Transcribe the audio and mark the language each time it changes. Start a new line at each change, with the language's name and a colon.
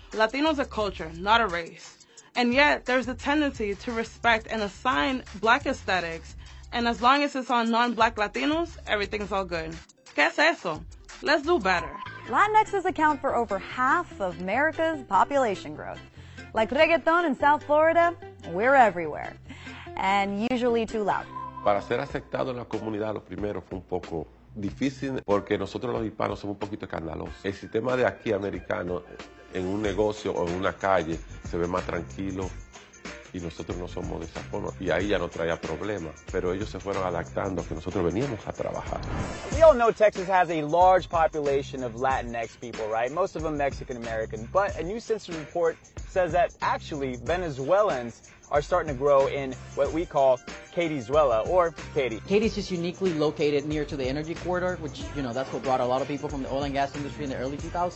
English: Latino's a culture, not a race. And yet, there's a tendency to respect and assign Black aesthetics. And as long as it's on non-Black Latinos, everything's all good.
Spanish: ¿Qué es eso?
English: Let's do better. Latinxes account for over half of America's population growth. Like reggaeton in South Florida, we're everywhere, and usually too loud.
Spanish: Para ser aceptado en la comunidad, lo primero fue un poco difícil porque nosotros los hispanos somos un poquito escandalosos. El sistema de aquí americano, en un negocio o en una calle, se ve más tranquilo y nosotros no somos de esa forma. Y ahí ya no traía problemas, pero ellos se fueron adaptando que nosotros veníamos a trabajar.
English: We all know Texas has a large population of Latinx people, right? Most of them Mexican-American, but a new census report says that actually Venezuelans are starting to grow in what we call Katie'suela, or Katy. Katy's just uniquely located near to the energy corridor, which, you know, that's what brought a lot of people from the oil and gas industry in the early 2000s.